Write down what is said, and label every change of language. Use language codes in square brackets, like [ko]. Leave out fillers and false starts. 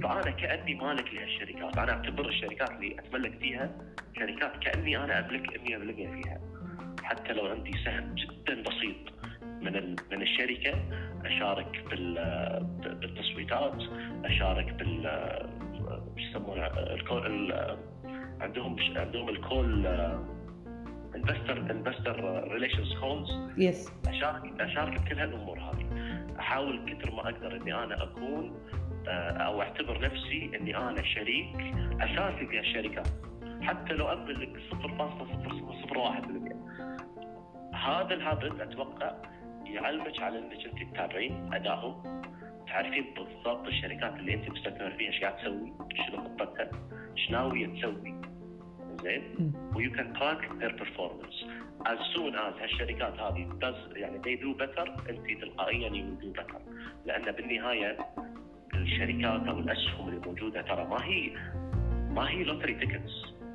[ar] فانا كاني مالك لهالشركات, انا اعتبر الشركات اللي اتملك فيها شركات كاني انا املك 100% فيها, حتى لو عندي سهم جدا بسيط من الشركه, اشارك بالتصويتات, اشارك بال يسمونها عندهم الكول [en] investor relations calls. Yes. [ar] أشارك كل هالأمور هذه. أحاول كتر ما أقدر إني أنا أكون أو أعتبر نفسي إني أنا شريك أساسي في الشركة. حتى لو أقبل 0.001%. هذا الهابت أتوقع يعلمك على إنك أنت تتابعين أدائهم. تعرفين بالضبط الشركات اللي أنت مستثمر فيها إيش قاعد تسوي، شنو خطتها، شناوية تسوي. [en] You can track their performance. As soon as [ar] هالشركات هذه [en] does يعني they do better, [ar] أنت تلقائيا [en] you do better. [ar] لأن بالنهاية الشركات أو الأسهم اللي موجودة ترى ما هي lottery tickets.